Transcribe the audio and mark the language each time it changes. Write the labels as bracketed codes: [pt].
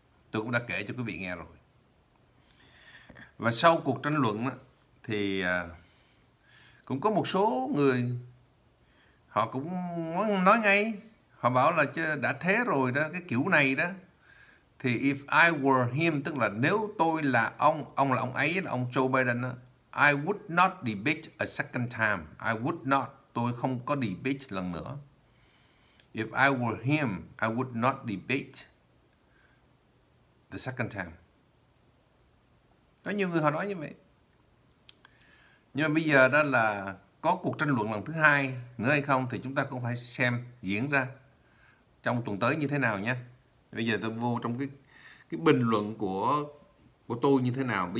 [vi] Tôi cũng đã kể cho quý vị nghe rồi. Và sau cuộc tranh luận đó, thì cũng có một số người họ cũng nói ngay. Họ bảo là chứ đã thế rồi đó, cái kiểu này đó. Thì [en] if I were him, [vi] tức là nếu tôi là ông là ông ấy, là ông Joe Biden đó, [en] I would not debate a second time. I would not. [vi] Tôi không có debate lần nữa. [en] If I were him, I would not debate the second time. [vi] Có nhiều người họ nói như vậy. Nhưng mà bây giờ đó là có cuộc tranh luận lần thứ hai nữa hay không thì chúng ta cũng phải xem diễn ra trong tuần tới như thế nào nha. Bây giờ tôi vô trong cái bình luận của tôi như thế nào.